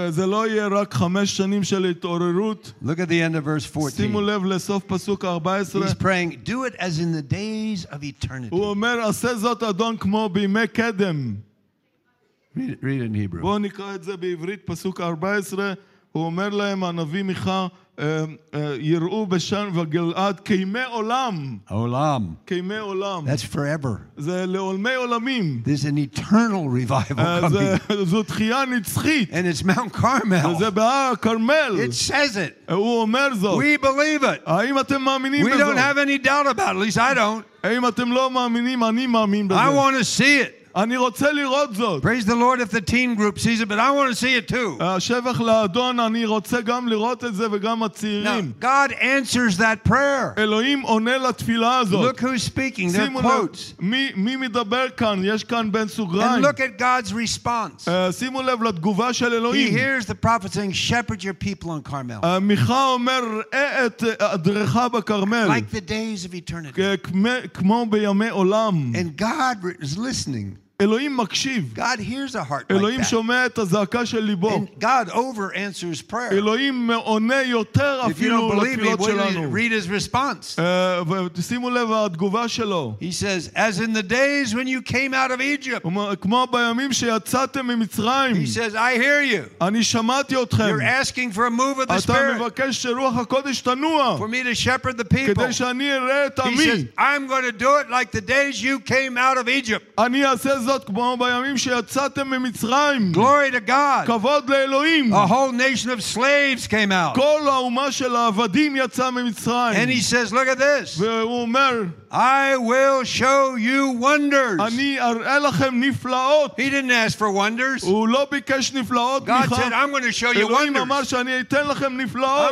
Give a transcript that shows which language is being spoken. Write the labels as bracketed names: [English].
[Hebrew] זה לא יהיה רק חמש שנים של התעוררות. [English] Look at the end of verse 14. [Hebrew] שימו לב לסוף פסוק 14. [English] He's praying, do it as in the days of eternity. [Hebrew] הוא אומר, עשה זאת אדון כמו בימי קדם. [English] Read it in Hebrew. [Hebrew] בואו נקרא את זה בעברית, פסוק 14. הוא אומר להם, הנביא מיכה, יראו בשן וגלעד כימי עולם. עולם. כימי עולם. [English] That's forever. [Hebrew] זה לעולמי עולמים. [English] There's an eternal revival coming. [Hebrew] זו תחייה נצחית. [English] And it's Mount Carmel. [Hebrew] וזה בהר הכרמל. [English] It says it. [Hebrew] הוא אומר זאת. [English] We believe it. [Hebrew] האם אתם מאמינים בזה? [English] We don't have any doubt about it. At least I don't. [Hebrew] האם אתם לא מאמינים? אני מאמין בזה. [English] I want to see it. [Hebrew] אני רוצה לראות זאת. [English] Praise the Lord if the teen group sees it, but I want to see it too. [Hebrew] שבח לאדון, אני רוצה גם לראות את זה וגם הצעירים. [English] Now, God answers that prayer. [Hebrew] אלוהים עונה לתפילה הזאת. [English] Look who's speaking. They're quotes. [Hebrew] מי מדבר כאן? יש כאן בן סוגריים. [English] And look at God's response. [Hebrew] שימו לב לתגובה של אלוהים. [English] He hears the prophet saying, "Shepherd your people on Carmel." [Hebrew] מיכה אומר, ראה את הדרכה בכרמל. [English] Like the days of eternity. [Hebrew] כמו בימי עולם. [English] And God is listening. [Hebrew] אלוהים מקשיב. [English] God hears a heart. [Hebrew] אלוהים שומע את הזעקה של ליבו. [English] And God over answers prayer. [Hebrew] אלוהים עונה יותר אפילו לתפילות שלנו. [English] Read his response. [Hebrew] ושימו לב התגובה שלו. [English] He says, as in the days when you came out of Egypt. [Hebrew] כמו בימים שיצאתם ממצרים. [English] He says, I hear you. [Hebrew] אני שמעתי אתכם. [English] You're asking for a move of the Spirit. [Hebrew] אתה מבקש שרוח הקודש תנוע. [English] For me to shepherd the people. [Hebrew] כדי שאני אראה את עמי. [English] He says, I'm going to do it like the days you came out of Egypt. [Hebrew] אני אעשה זאת כמו בימים שיצאתם ממצרים. [English] Glory to God. [Hebrew] כבוד לאלוהים. [English] A whole nation of slaves came out. [Hebrew] כל האומה של העבדים יצא ממצרים. [English] And he says, look at this. [Hebrew] והוא אומר, [English] I will show you wonders. [Hebrew] אני אראה לכם נפלאות. [English] He didn't ask for wonders. [Hebrew] הוא לא ביקש נפלאות. [English] God said, I'm going to show you wonders. [Hebrew] אלוהים אמר שאני אתן לכם נפלאות.